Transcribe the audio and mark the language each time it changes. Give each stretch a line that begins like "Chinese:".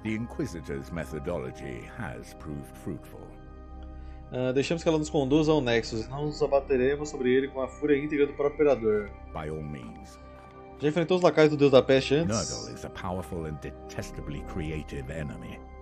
English: The Inquisitor's methodology has proved fruitful.
Portuguese: Deixamos que ela nos conduza ao Nexus, não nos abateremos sobre ele com a fúria íntegra do próprio Imperador.
English: By all means.
Portuguese: Já enfrentou os lacaios do Deus da Peste antes?
English: Nurgle is a powerful and detestably creative enemy.